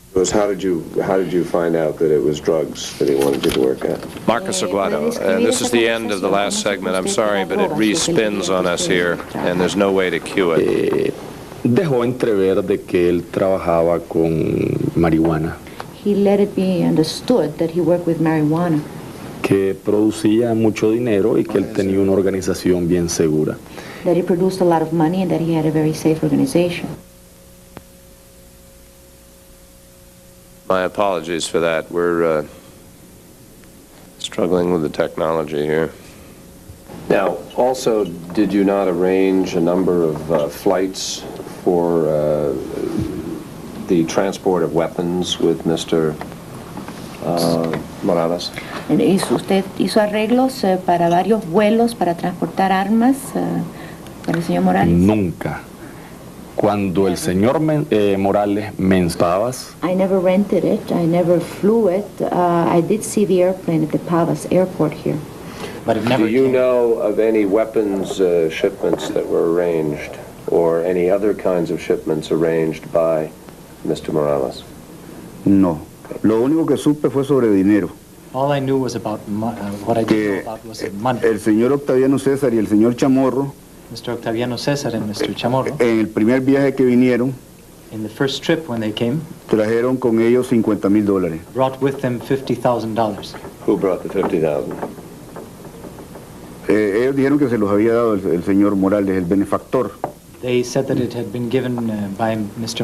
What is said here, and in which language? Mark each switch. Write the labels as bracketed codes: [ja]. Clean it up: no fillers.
[en] How did you find out that it was drugs that he wanted you to work at? Marcus Aguado, and this is the end of the last segment. I'm sorry, but it re-spins on us here, and there's no way to cue it. [es] Dejó entrever de que él trabajaba con marihuana. [en] He let it be understood that he worked with marijuana. [es] Que producía mucho dinero y que él tenía una organización bien segura. [en] That he produced a lot of money and that he had a very safe organization. My apologies for that. We're struggling with the technology here. Now, also, did you not arrange a number of flights for the transport of weapons with Mr. Morales? [es] Usted hizo arreglos para varios vuelos para transportar armas para el señor Morales? Nunca. Cuando el señor Morales mensabas, [en] I never rented it. I never flew it. I did see the airplane at the Pavas airport here. But it never Do you came. Know of any weapons shipments that were arranged or any other kinds of shipments arranged by Mr. Morales? [es] No. Lo único que supe fue sobre dinero. [en] All I knew was about what I didn't know about was money. [es] El señor Octaviano César y el señor Chamorro [en] Mr. Octaviano César and Mr. Chamorro. [es] En el primer viaje que vinieron, [en] in the first trip when they came, [es] trajeron con ellos 50 mil dólares. [en] Brought with them $50,000. Who brought the $50,000? [es] Ellos dijeron que se los había dado el señor Morales, el benefactor. [en] They said that it had been given by Mr.